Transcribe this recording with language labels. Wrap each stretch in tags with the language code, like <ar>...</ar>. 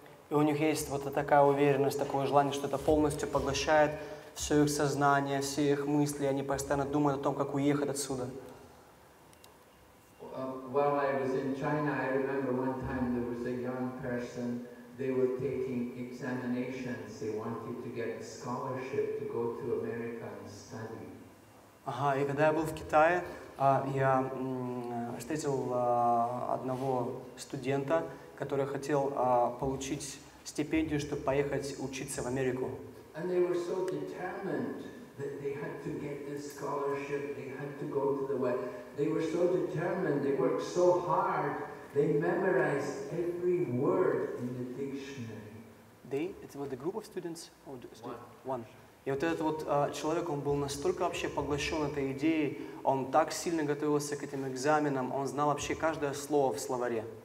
<ru>И у них есть вот такая уверенность, такое желание, что это полностью поглощает все их сознание, все их мысли, они постоянно думают о том, как уехать отсюда.</ru> <en>While I was in China, I remember one time there was a young person, they were taking examinations, they wanted to get a scholarship to go to America and study.</en> <ru>Ага, и когда я был в Китае, я встретил одного студента, который хотел получить стипендию, чтобы поехать учиться в Америку.</ru> <en>And they were so determined that they had to get this scholarship, they had to go to the West. They were so determined, they worked so hard, they memorized every word in the dictionary. They? It was a group of students? Or one.</en> <ru>И вот этот вот человек, он был настолько вообще поглощен этой идеей, он так сильно готовился к этим экзаменам, он знал вообще каждое слово в словаре.</ru>